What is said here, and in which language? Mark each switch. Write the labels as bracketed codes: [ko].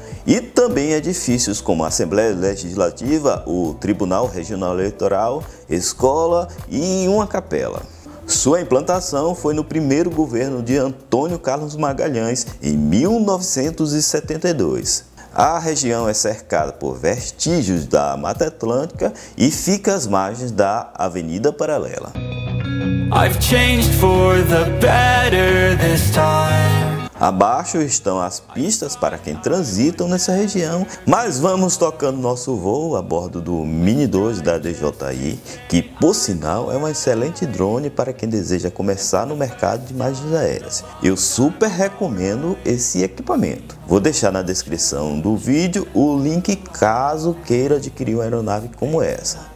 [pt] E também edifícios como a Assembleia Legislativa, o Tribunal Regional Eleitoral, escola e uma capela. Sua implantação foi no primeiro governo de Antônio Carlos Magalhães, em 1972. A região é cercada por vestígios da Mata Atlântica e fica às margens da Avenida Paralela. [en] I've changed for the better this time. [pt] Abaixo estão as pistas para quem transita nessa região, mas vamos tocando nosso voo a bordo do Mini 2 da DJI, que por sinal é um excelente drone para quem deseja começar no mercado de imagens aéreas. Eu super recomendo esse equipamento. Vou deixar na descrição do vídeo o link caso queira adquirir uma aeronave como essa.